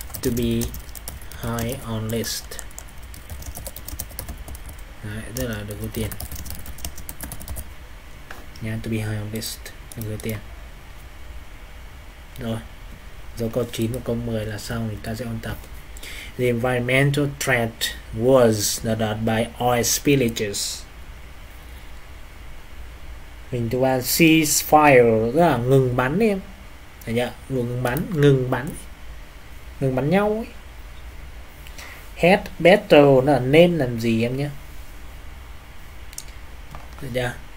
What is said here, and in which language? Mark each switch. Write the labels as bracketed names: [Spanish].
[English] To be high on list. [Vietnamese] Đấy, rất là được ưu tiên. Nhá, to be high on list, được ưu tiên. Rồi, dấu câu 9 và câu 10 là xong, thì ta sẽ ôn tập. [English] The environmental threat was not by oil spillages. [Vietnamese] Mình thứ ba, ceasefire, tức là ngừng bắn em. Đấy nhá, ngừng bắn, ngừng bắn. Ngừng bắn nhau ấy. Had better là nên làm gì em nhé. Đấy nhá.